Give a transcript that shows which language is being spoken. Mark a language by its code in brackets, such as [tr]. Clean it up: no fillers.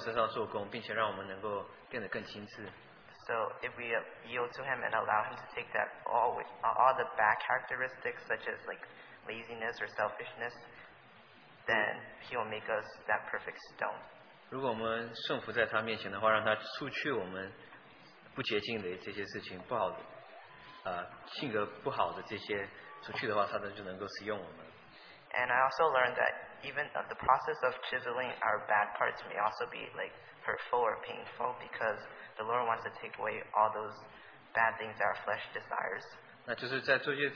[zh] 那我们要顺服我们的主，让他能够在我们身上做工，并且让我们能够变得更亲自。 [en] So if we yield to Him and allow Him to take that all the bad characteristics such as like laziness or selfishness, then He will make us that perfect stone. [zh] 如果我们顺服在他面前的话，让他除去我们。不洁净的这些事情，不好的，性格不好的这些，除去的话，他们就能够使用我们。 [en] And I also learned that even the process of chiseling our bad parts may also be like hurtful or painful because the Lord wants to take away all those bad things that our flesh desires.